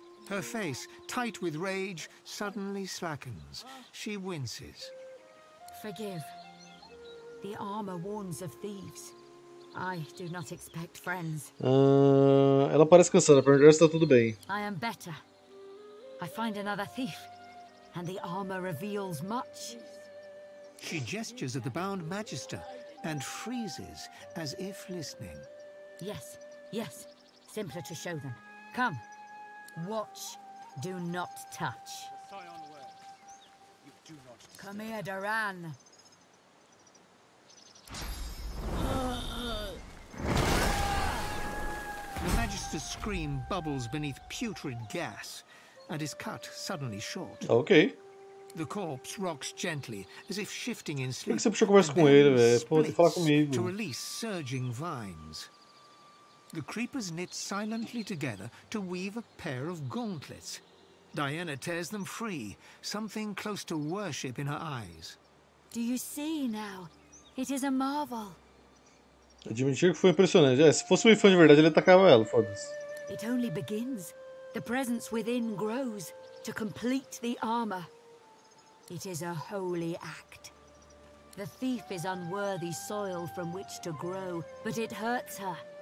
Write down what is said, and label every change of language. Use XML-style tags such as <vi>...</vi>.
<en>Her face, tight with rage, suddenly slackens. She winces. Forgive. The armor warns of thieves. I do not expect friends.</en> <pt>Ela parece cansada, pra ela está tudo bem.</pt> <en>I am better. I find another thief, and the armor reveals much. She gestures at the bound magister and freezes as if listening. Yes, yes. Simpler to show them. Come. Watch Do not touch. Scion aware. You do not disturb. Come here, Duran. The Magister's scream bubbles beneath putrid gas and is cut suddenly short. Okay. The corpse rocks gently, as if shifting in sleep.</en> <pt>Por que você puxou conversa com ele, velho? Pô, tem que falar comigo.</pt> <en>To release surging vines. The creepers knit silently together to weave a pair of gauntlets. Diana tears them free, something close to worship in her eyes. Do you see now? It is a marvel.</en> <pt>Admitir que foi impressionante. É, se fosse um fã de verdade, ele atacava ela, foda-se.</pt> <en>It only begins. The presence within grows to complete the armor. It is a holy act. The thief is unworthy soil from which to grow, but it hurts her.</en>